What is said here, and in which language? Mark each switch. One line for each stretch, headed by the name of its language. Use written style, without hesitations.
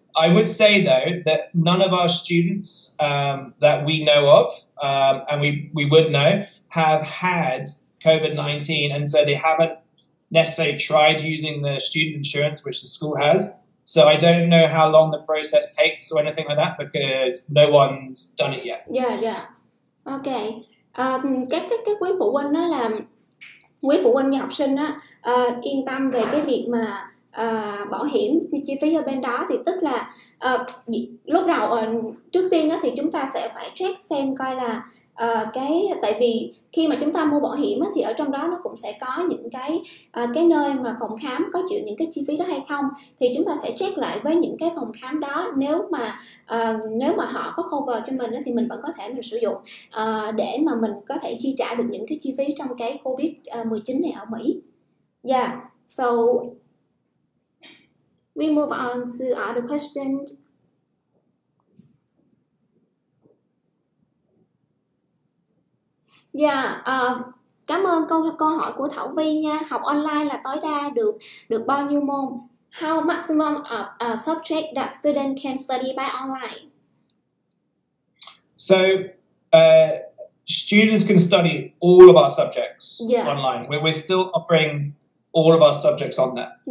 English: I would say though that none of our students that we know of, and we would know, have had COVID-19, and so they haven't necessarily tried using the student insurance, which the school has. So I don't know how long the process takes or anything like that, because no one's done it yet. Okay.
Vietnamese: Các quý phụ huynh đó là quý phụ huynh và học sinh đó yên tâm về cái việc mà bảo hiểm thì chi phí ở bên đó, thì tức là lúc đầu trước tiên đó thì chúng ta sẽ phải check xem coi là cái tại vì khi mà chúng ta mua bảo hiểm thì ở trong đó nó cũng sẽ có những cái nơi mà phòng khám có chịu những cái chi phí đó hay không, thì chúng ta sẽ check lại với những cái phòng khám đó, nếu mà họ có cover cho mình thì mình vẫn có thể mình sử dụng để mà mình có thể chi trả được những cái chi phí trong cái COVID-19 này ở Mỹ.
English: Yeah, so we move on to other questions.
Vietnamese: Cảm ơn câu hỏi của Thảo Vi nha. Học online là tối đa được bao nhiêu môn?
English: How maximum of a subject that student can study by online? So, students can study all of our subjects online. We're still offering all of our subjects on that.